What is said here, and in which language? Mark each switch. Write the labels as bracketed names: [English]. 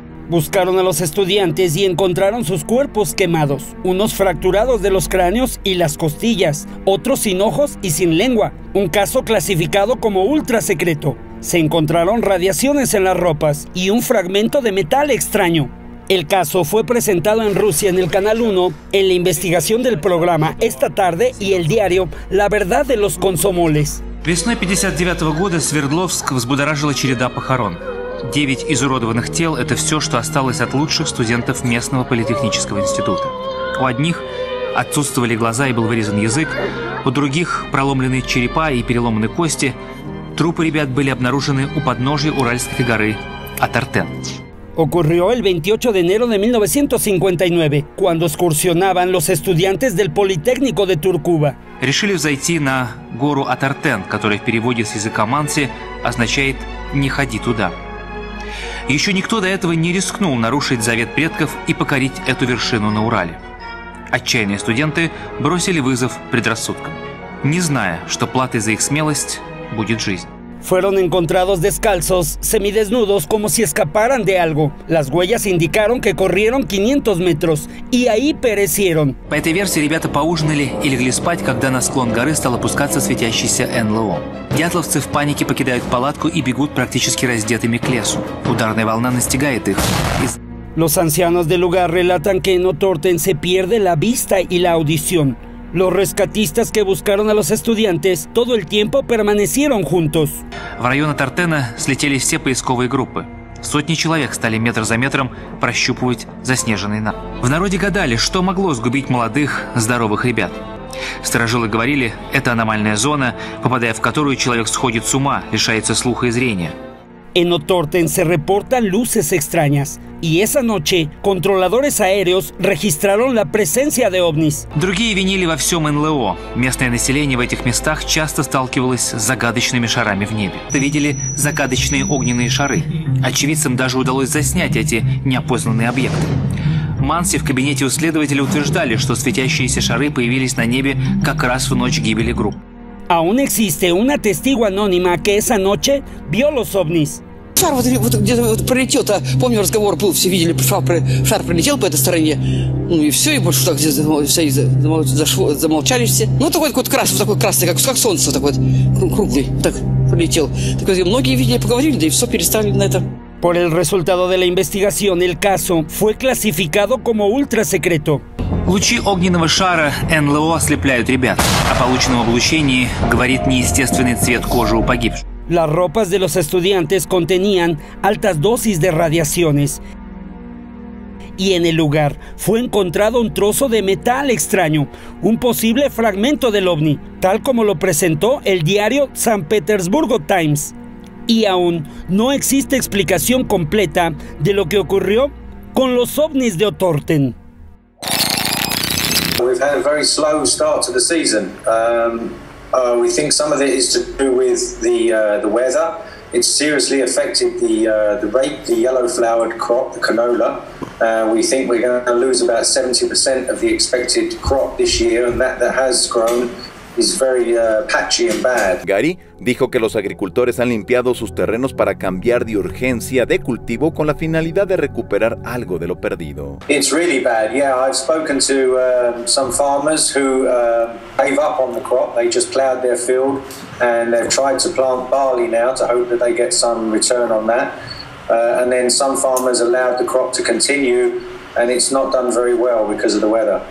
[Spanish] Buscaron a los estudiantes y encontraron sus cuerpos quemados, unos fracturados de los cráneos y las costillas, otros sin ojos y sin lengua, un caso clasificado como ultra secreto. Se encontraron radiaciones en las ropas y un fragmento de metal extraño. El caso fue presentado en Rusia en el Canal 1, en la investigación del programa Esta Tarde y el diario La Verdad de los Комсомолец. [Russian] Весной 59 года Свердловск взбудоражила череда похорон. 9 изуродованных тел – это все, что осталось от лучших студентов местного политехнического института. У одних отсутствовали глаза и был вырезан язык, у других – проломлены черепа и переломаны кости. Трупы ребят были обнаружены у подножия Уральской горы Атартен. [Spanish] Ocurrió el 28 de enero de 1959, cuando excursionaban los estudiantes del Politécnico de Turcuba. [Russian] Решили зайти на гору Атартен, которая в переводе с языка манси означает «не ходи туда». Еще никто до этого не рискнул нарушить завет предков и покорить эту вершину на Урале. Отчаянные студенты бросили вызов предрассудкам, не зная, что платой за их смелость будет жизнь. [Spanish] Fueron encontrados descalzos, semidesnudos, como si escaparan de algo. Las huellas indicaron que corrieron 500 metros y ahí perecieron. [Russian] По этой версии ребята поужинали и легли спать, когда на склон горы стал опускаться светящийся НЛО. Дятловцы в панике покидают палатку и бегут практически раздетыми к лесу. Ударная волна настигает их. [Spanish] Los ancianos del lugar relatan que en Otorten se pierde la vista y la audición. Los rescatistas que buscaron a los estudiantes todo el tiempo permanecieron juntos. [Russian] В район Атартена слетели все поисковые группы. Сотни человек стали метр за метром прощупывать заснеженный нар. В народе гадали, что могло сгубить молодых, здоровых ребят. Старожилы говорили, это аномальная зона, попадая в которую человек сходит с ума, лишается слуха и зрения. [Spanish] En Otorten se reportan luces extrañas. Y esa noche, controladores aéreos registraron la presencia de ovnis. [Russian] Другие винили во всем НЛО. Местное население в этих местах часто сталкивалось с загадочными шарами в небе. Это видели загадочные огненные шары. Очевидцам даже удалось заснять эти неопознанные объекты. Манси в кабинете у следователя утверждали, что светящиеся шары появились на небе как раз в ночь гибели групп. [Spanish] Aún existe una testigo anónima que esa noche vio los ovnis. [Russian] Шар вот где-то вот пролетел, помню разговор был, все видели, шар пролетел по этой стороне, ну и все, и больше так замолчали все. Ну такой вот красный, как солнце, такой вот круглый, так пролетел. Так вот, многие видели, поговорили, да и все перестали на это. [Spanish] Por el resultado de la investigación, el caso fue clasificado como ultra secreto. [Russian] Лучи огненного шара НЛО ослепляют ребят. О полученном облучении говорит неестественный цвет кожи у погибших. [Spanish] Las ropas de los estudiantes contenían altas dosis de radiaciones. Y en el lugar fue encontrado un trozo de metal extraño, un posible fragmento del ovni, tal como lo presentó el diario San Petersburgo Times. Y aún no existe explicación completa de lo que ocurrió con los ovnis de Otorten. [English] We've had a very slow start to the season. We think some of it is to do with the weather. It's seriously affected the rape, the yellow-flowered crop, the canola. We think we're going to lose about 70% of the expected crop this year, and that has grown is very patchy and bad. [Spanish] Gary dijo que los agricultores han limpiado sus terrenos para cambiar de urgencia de cultivo con la finalidad de recuperar algo de lo perdido. [English] It's really bad. Yeah, I've spoken to some farmers who gave up on the crop. They just plowed their field and they've tried to plant barley now to hope that they get some return on that. And then some farmers allowed the crop to continue. And it's not done very well because of the weather.